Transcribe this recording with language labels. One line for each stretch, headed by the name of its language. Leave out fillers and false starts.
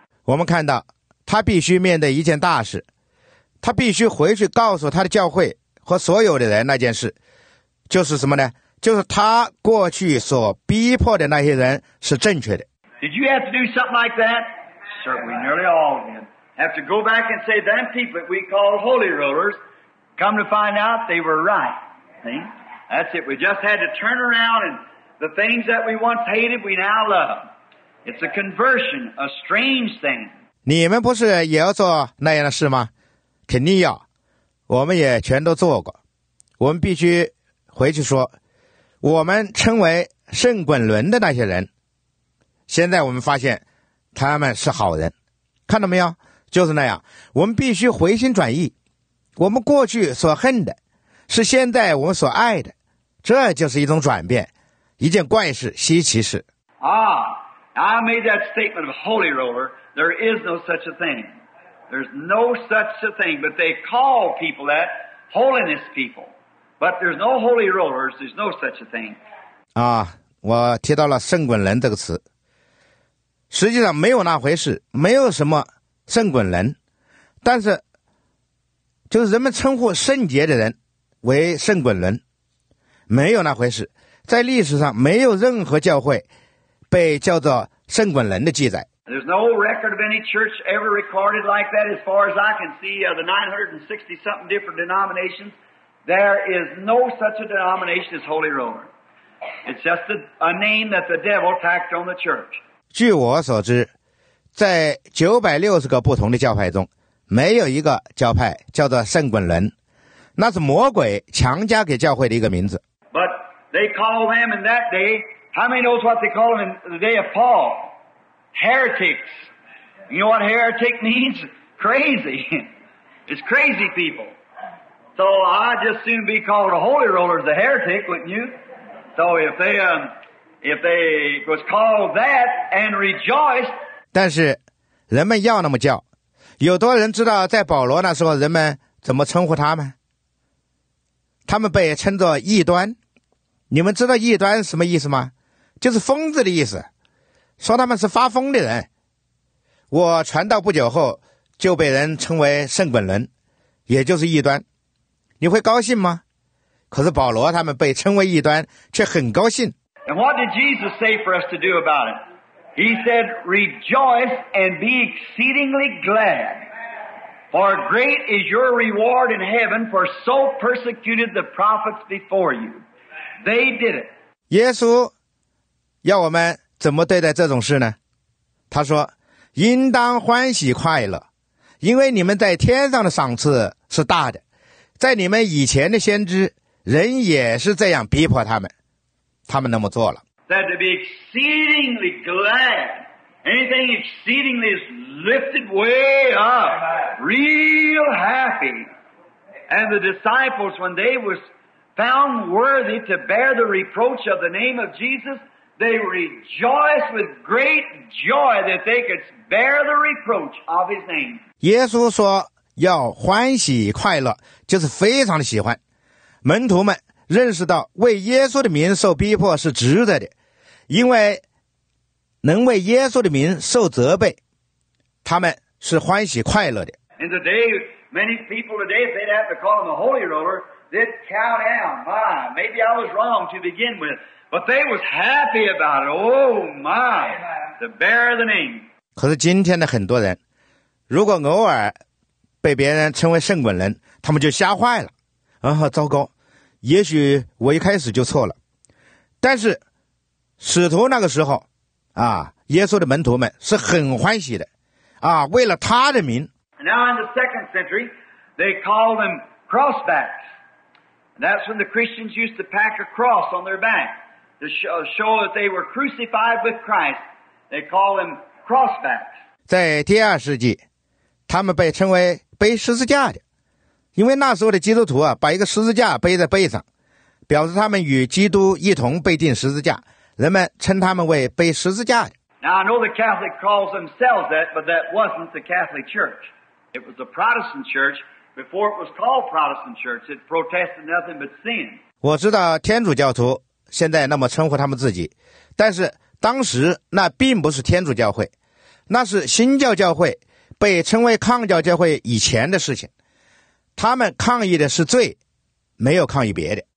Chinese: 我们看到他必须面对一件大事，他必须回去告诉他的教会和所有的人那件事，就是什么呢？就是他过去所逼迫的那些人是正确的。
English: Did you have to do something like that? Certainly, nearly all of them have to go back and say, "Them people that we call holy rollers, come to find out they were right." See, that's it. We just had to turn around, and the things that we once hated, we now love. It's a conversion, a strange thing.
Chinese: 你们不是也要做那样的事吗？肯定要，我们也全都做过。我们必须回去说，我们称为圣滚轮的那些人，现在我们发现他们是好人，看到没有？就是那样，我们必须回心转意。我们过去所恨的，是现在我们所爱的，这就是一种转变，一件怪事，稀奇事。
English: I made that statement of holy roller. There is no such a thing. There's no such a thing. But they call people that holiness people. But there's no holy rollers. There's no such a thing.
Chinese: 啊，我提到了圣滚轮这个词。实际上没有那回事，没有什么圣滚轮。但是，就是人们称呼圣洁的人为圣滚轮，没有那回事。在历史上没有任何教会被叫做圣滚轮的记载。
English: There's no record of any church ever recorded like that as far as I can see. The 960-something different denominations, there is no such a denomination as Holy Roller. It's just a name that the devil tacked on the church.
Chinese: 据我所知，在960个不同的教派中，没有一个教派叫做圣滚轮，那是魔鬼强加给教会的一个名字。
English: But they call them in that day, how many knows what they call them in the day of Paul? Heretics. You know what heretic means? Crazy. It's crazy people. So I'd just soon be called a holy roller as a heretic, wouldn't you? So if they was called that and rejoiced.
Chinese: 但是人们要那么叫，有多人知道在保罗那时候人们怎么称呼他们？他们被称作异端。你们知道异端什么意思吗？就是疯子的意思，说他们是发疯的人。我传道不久后就被人称为圣滚人，也就是异端。你会高兴吗？可是保罗他们被称为异端却很高兴。
English: And what did Jesus say for us to do about it? He said, Rejoice and be exceedingly glad, for great is your reward in heaven, for so persecuted the prophets before you. They did it.
Chinese: 耶稣要我们怎么对待这种事呢？他说，应当欢喜快乐，因为你们在天上的赏赐是大的，在你们以前的先知人也是这样逼迫他们，他们那么做了。
English: That to be exceedingly glad. Anything exceedingly is lifted way up. Real happy. And the disciples, when they was found worthy to bear the reproach of the name of Jesus, they rejoiced with great joy that they could bear the reproach of his name.
Chinese: 耶稣说要欢喜快乐，就是非常的喜欢。门徒们认识到为耶稣的名受逼迫是值得的，因为能为耶稣的名受责备，他们是欢喜快乐的。
English: In the day, many people today, if they'd have to call them a holy roller, they'd count down. My, maybe I was wrong to begin with, but they was happy about it. Oh my, to bear the name.
Chinese: 可是今天的很多人，如果偶尔被别人称为圣滚人，他们就吓坏了。啊，糟糕，也许我一开始就错了。但是使徒那个时候啊，耶稣的门徒们是很欢喜的啊，为了他的名。
English: Now in the second century they call them crossbacks. That's when the Christians used to pack a cross on their back to show that they were crucified with Christ. They call them crossbacks.
Chinese: 在第二世纪他们被称为背十字架的，因为那时候的基督徒啊，把一个十字架背在背上，表示他们与基督一同被钉十字架，人们称他们为背十字架的。
English: Now I know the Catholic calls themselves that, but that wasn't the Catholic Church. It was the Protestant Church. Before it was called Protestant Church, it protested nothing but sin.
Chinese: 我知道天主教徒现在那么称呼他们自己，但是当时那并不是天主教会，那是新教教会被称为抗教教会以前的事情。他们抗议的是罪，没有抗议别的。